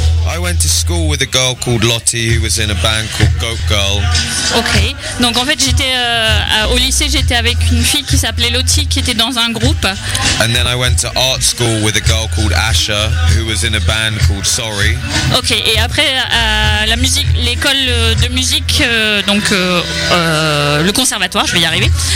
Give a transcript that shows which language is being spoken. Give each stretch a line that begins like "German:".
English: I went to school with a girl called Lottie who was in a band called Goat Girl. Okay.
French: Donc en fait j'étais au lycée, j'étais avec une fille qui s'appelait Lottie, qui était dans un groupe.
English: And then I went to art school with a girl called Asha who was in a band called Sorry.
French: Okay, et après la musique, l'école de musique le conservatoire, je vais y arriver.